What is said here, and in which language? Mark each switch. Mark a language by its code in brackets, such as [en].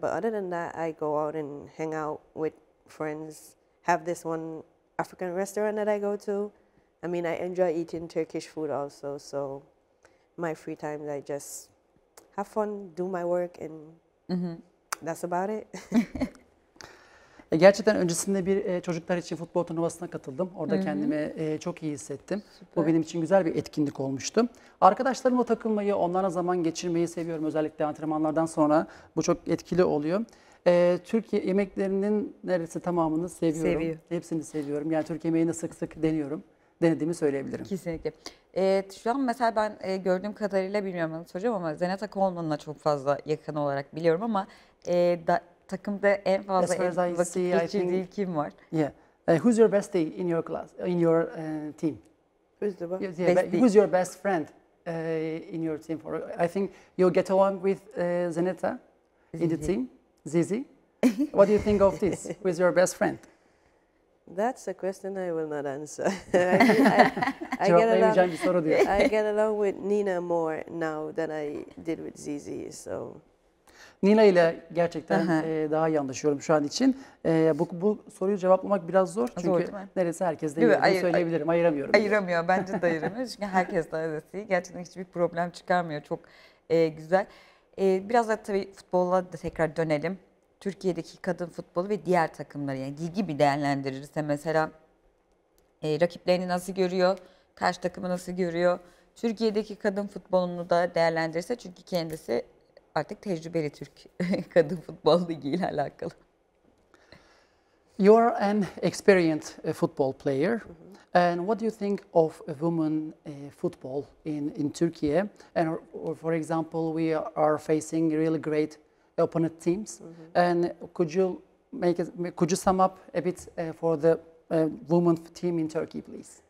[en] But other than that, I go out and hang out with friends, have this one African restaurant that I go to. I mean, I enjoy eating Turkish food also, so my free time, I just have fun, do my work, and that's about it. [tr] Gerçekten öncesinde bir çocuklar için futbol turnuvasına katıldım. Orada kendimi çok iyi hissettim. Süper. Bu benim için güzel bir etkinlik olmuştu. Arkadaşlarımla takılmayı, onlarla zaman geçirmeyi seviyorum. Özellikle antrenmanlardan sonra bu çok etkili oluyor. Türkiye yemeklerinin neredeyse tamamını seviyorum. Hepsini seviyorum. Yani Türk yemeğini sık sık deniyorum. Denediğimi söyleyebilirim. Kesinlikle. Şu an mesela ben gördüğüm kadarıyla bilmiyorum onu soracağım ama Zenata Coleman'la çok fazla yakın olarak biliyorum ama takımda en fazla vakit geçirdiği kim var? [en] Who's your bestie in your class, in your team? Who's your best friend in your team? For I think you'll get along with Zenata in the team. Zizi, what do you think of this? Who's your best friend? That's a question I will not answer. I get along with Nina more now than I did with Zizi. So [tr] Nina ile gerçekten daha iyi anlaşıyorum şu an için. Bu soruyu cevaplamak biraz zor. Çünkü neredeyse herkes de iyi. Söyleyebilirim. Ayıramıyorum. Ayıramıyor. Yani. Bence de ayıramıyor. Çünkü herkes de arası iyi. Gerçekten hiçbir problem çıkarmıyor. Çok güzel. Biraz da tabii futbola da tekrar dönelim. Türkiye'deki kadın futbolu ve diğer takımları yani ligi bir değerlendirirse mesela rakiplerini nasıl görüyor, karşı takımı nasıl görüyor, Türkiye'deki kadın futbolunu da değerlendirirse çünkü kendisi artık tecrübeli Türk kadın futbol ligi ile alakalı. [en] You are an experienced football player. And what do you think of a woman football in Turkey? And for example, we are facing really great opponent teams. Mm-hmm. And could you sum up a bit for the women team in Turkey, please?